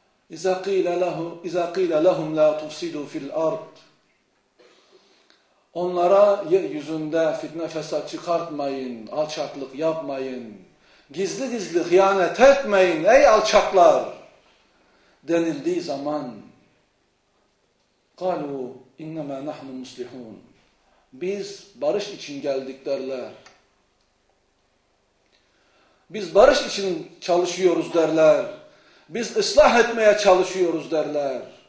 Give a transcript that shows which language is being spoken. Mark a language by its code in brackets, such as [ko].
[ar] İza kîle lehum la tufsidû fil ard. [tr] Onlara yeryüzünde fitne fesat çıkartmayın, alçaklık yapmayın. Gizli gizli hıyanet etmeyin ey alçaklar. Denildiği zaman [ar] قالوا انما نحن مسلمون. [tr] Biz barış için geldik derler. Biz barış için çalışıyoruz derler. Biz ıslah etmeye çalışıyoruz derler.